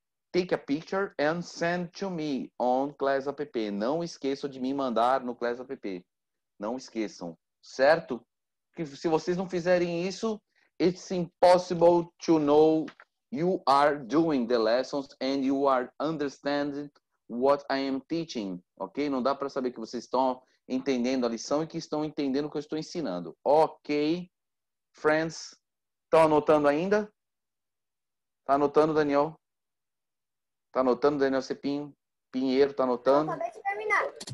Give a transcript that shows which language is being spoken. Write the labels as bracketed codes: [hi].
[en] Take a picture and send to me on Class App. [pt] Não esqueçam de me mandar no Class App. Não esqueçam, certo? Porque se vocês não fizerem isso, [en] it's impossible to know... You are doing the lessons and you are understanding what I am teaching, ok? [pt] Não dá para saber que vocês estão entendendo a lição e que estão entendendo o que eu estou ensinando. [en] Ok, friends, [pt] estão anotando ainda? Tá anotando, Daniel? Tá anotando, Daniel Cepinho? Pinheiro, tá anotando? Eu acabei de terminar.